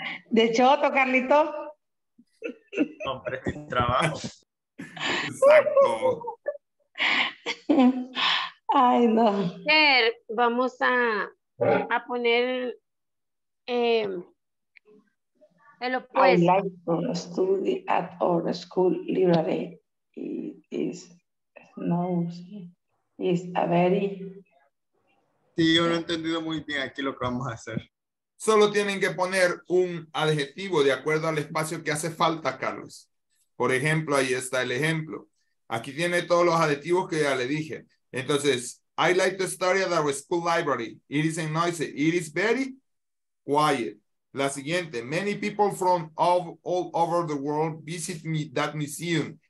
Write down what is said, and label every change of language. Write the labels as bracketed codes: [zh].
[es] De choto, Carlito. Hombre, no, sin trabajo. Exacto. Ay, no. Vamos a poner el opuesto. [en] I like to study at our school library. It is snow. It's a very. [es] Sí, yo no he entendido muy bien aquí lo que vamos a hacer. Solo tienen que poner un adjetivo de acuerdo al espacio que hace falta, Carlos. Por ejemplo, ahí está el ejemplo. Aquí tiene todos los adjetivos que ya le dije. [en] Entonces, I like to study at our school library. It is noisy. It is very quiet. [es] La siguiente. [en] Many people from all over the world visit me that museum.